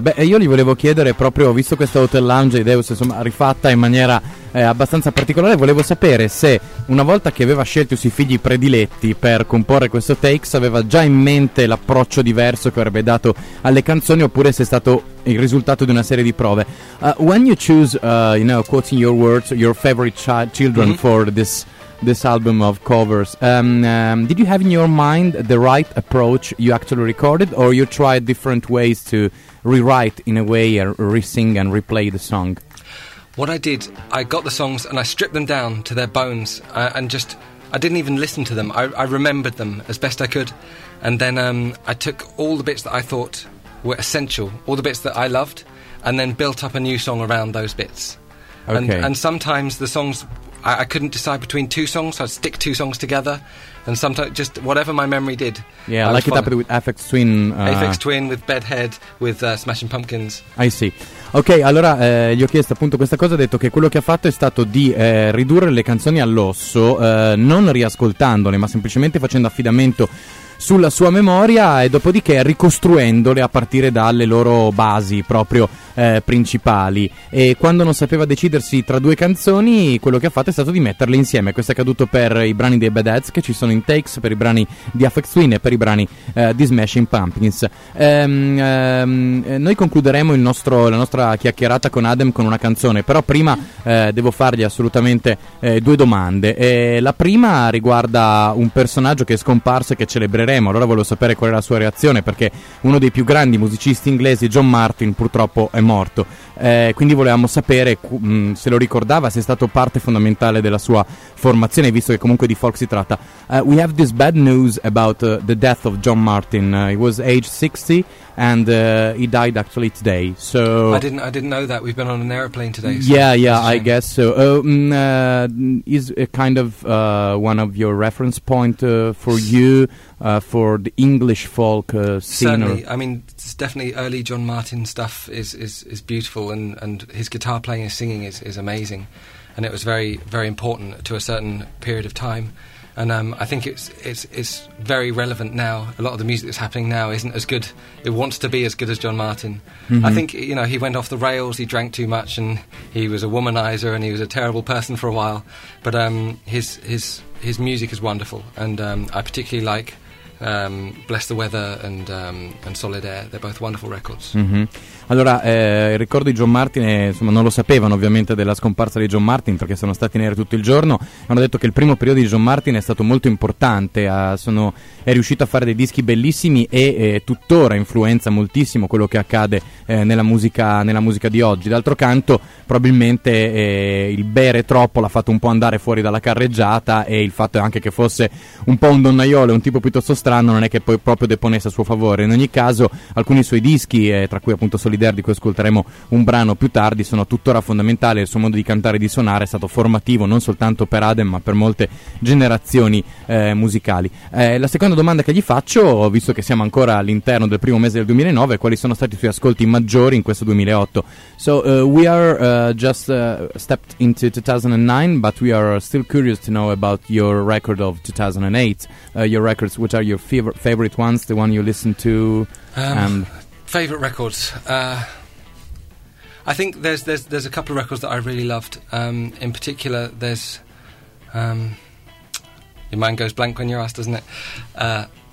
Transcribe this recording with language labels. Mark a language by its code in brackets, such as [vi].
[it] Beh, io gli volevo chiedere, proprio visto questa Hotel Lounge Ideus, insomma, rifatta in maniera abbastanza particolare, volevo sapere se una volta che aveva scelto i suoi figli prediletti per comporre questo Takes aveva già in mente l'approccio diverso che avrebbe dato alle canzoni, oppure se è stato il risultato di una serie di prove. [en] When you choose, you know, quoting your words, your favorite children for this album of covers, did you have in your mind the right approach you actually recorded, or you tried different ways to rewrite in a way or re-sing and replay the song? What I did, I got the songs and I stripped them down to their bones, and just, I didn't even listen to them, I remembered them as best I could, and then I took all the bits that I thought were essential, all the bits that I loved, and then built up a new song around those bits. Okay. And sometimes the songs, I couldn't decide between two songs, so I'd stick two songs together, and sometimes just whatever my memory did. Yeah, I like it up with Aphex Twin. Aphex Twin with Bedhead, with Smashing Pumpkins. I see. [it] Ok, allora gli ho chiesto appunto questa cosa, ha detto che quello che ha fatto è stato di ridurre le canzoni all'osso, non riascoltandole, ma semplicemente facendo affidamento sulla sua memoria e dopodiché ricostruendole a partire dalle loro basi proprio principali. E quando non sapeva decidersi tra due canzoni, quello che ha fatto è stato di metterle insieme. Questo è accaduto per i brani dei Bad Heads che ci sono in Takes, per i brani di Aphex Twin e per i brani di Smashing Pumpkins. Noi concluderemo la nostra chiacchierata con Adem con una canzone, però prima devo fargli assolutamente due domande. La prima riguarda un personaggio che è scomparso e che celebra. Allora volevo sapere qual è la sua reazione, perché uno dei più grandi musicisti inglesi, John Martin, purtroppo è morto. Quindi volevamo sapere se lo ricordava, se è stato parte fondamentale della sua formazione, visto che comunque di folk si tratta. [en] We have this bad news about the death of John Martin. He was age 60 and he died actually today. So I didn't know that. We've been on an airplane today. So yeah, I guess so. Is a kind of one of your reference point for you. For the English folk scene. Certainly, I mean, it's definitely early John Martin stuff is beautiful, and his guitar playing and singing is amazing, and it was very, very important to a certain period of time, and I think it's very relevant now. A lot of the music that's happening now isn't as good. It wants to be as good as John Martin. Mm-hmm. I think, you know, he went off the rails. He drank too much, and he was a womanizer, and he was a terrible person for a while. But his music is wonderful, and I particularly like Bless the Weather and Solid Air. They're both wonderful records. Mm-hmm. [it] Allora, il ricordo di John Martin, insomma, non lo sapevano ovviamente della scomparsa di John Martin, perché sono stati in aereo tutto il giorno. Hanno detto che il primo periodo di John Martin è stato molto importante, è riuscito a fare dei dischi bellissimi e tuttora influenza moltissimo quello che accade nella musica di oggi. D'altro canto, probabilmente il bere troppo l'ha fatto un po' andare fuori dalla carreggiata, e il fatto è anche che fosse un po' un donnaiolo, un tipo piuttosto strano, non è che poi proprio deponesse a suo favore. In ogni caso, alcuni suoi dischi, tra cui appunto Solid Air, di cui ascolteremo un brano più tardi, sono tuttora fondamentali. Il suo modo di cantare e di suonare è stato formativo non soltanto per Adem, ma per molte generazioni musicali. La seconda domanda che gli faccio, visto che siamo ancora all'interno del primo mese del 2009, quali sono stati i suoi ascolti maggiori in questo 2008? [en] So we are just stepped into 2009, but we are still curious to know about your record of 2008. Your records, which are your favorite ones, the one you listen to? Favorite records. I think there's a couple of records that I really loved. In particular, there's your mind goes blank when you're asked, doesn't it?